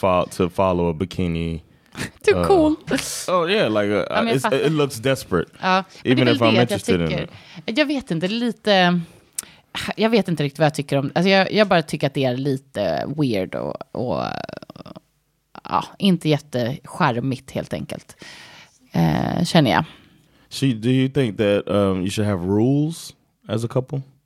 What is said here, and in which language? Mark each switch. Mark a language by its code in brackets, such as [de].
[en] To follow a bikini. Too cool. Oh yeah, like it looks desperate. Even if I'm interested in it. [sv] Jag vet inte, lite... Jag vet inte riktigt vad jag tycker om det. Alltså jag bara tycker att det är lite weird och ja, inte jättecharmigt helt enkelt. Känner jag. [en] So do you think that you should have rules as a couple?